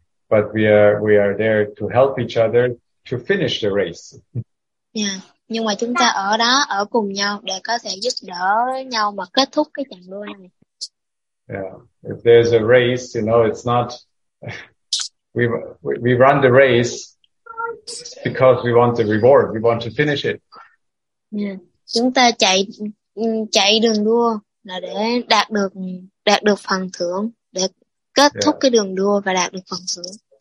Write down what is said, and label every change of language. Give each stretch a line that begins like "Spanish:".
English: But we are there to help each other to finish the race.
Vietnamese: Yeah, nhưng mà chúng ta ở đó ở cùng nhau để có thể giúp đỡ nhau mà kết thúc cái chặng đua này.
English: Yeah, if there's a race, you know, it's not we run the race because we want the reward. We want to finish it.
Vietnamese: Yeah, chúng ta chạy đường đua là để đạt được phần thưởng để kết thúc cái đường đua và đạt được phần thưởng.